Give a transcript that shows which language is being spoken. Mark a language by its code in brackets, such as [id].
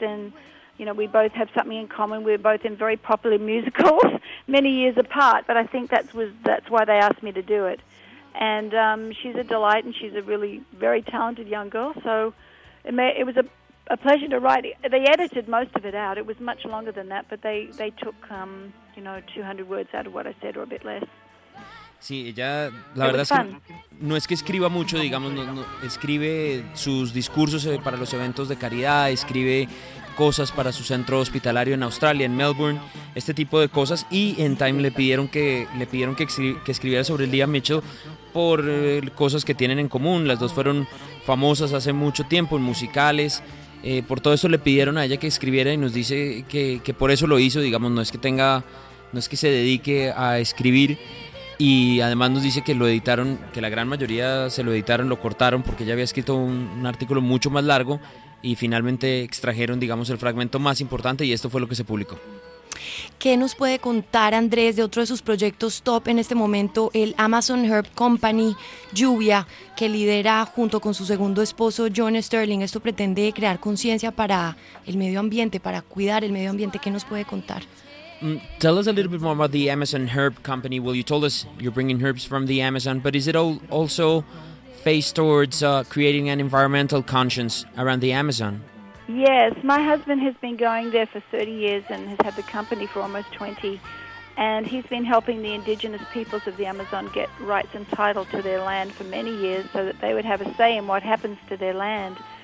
[en] And, you know, we both have something in common. We're both in very popular musicals many years apart, but I think that's why they asked me to do it. And she's a delight, and she's a really very talented young girl. So it was a pleasure to write. They edited most of it out. It was much longer than that, but they took, 200 words out of what I said, or a bit less. [es] Sí, ella, la verdad es que no es que escriba mucho, digamos, no, escribe sus discursos para los eventos de caridad, escribe cosas para su centro hospitalario en Australia, en Melbourne, este tipo de cosas, y en Time le pidieron que escribiera sobre Lea Michele por cosas que tienen en común. Las dos fueron famosas hace mucho tiempo en musicales, por todo eso le pidieron a ella que escribiera, y nos dice que por eso lo hizo, digamos, no es que se dedique a escribir. Y además nos dice que lo editaron, que la gran mayoría se lo editaron, lo cortaron, porque ella había escrito un artículo mucho más largo y finalmente extrajeron, digamos, el fragmento más importante, y esto fue lo que se publicó. ¿Qué nos puede contar, Andrés, de otro de sus proyectos top en este momento, el Amazon Herb Company Lluvia, que lidera junto con su segundo esposo, John Sterling? Esto pretende crear conciencia para el medio ambiente, para cuidar el medio ambiente. ¿Qué nos puede contar? [en] Tell us a little bit more about the Amazon Herb Company. Well, you told us you're bringing herbs from the Amazon, but is it all also faced towards creating an environmental conscience around the Amazon? Yes, my husband has been going there for 30 years and has had the company for almost 20, and he's been helping the indigenous peoples of the Amazon get rights and title to their land for many years so that they would have a say in what happens to their land.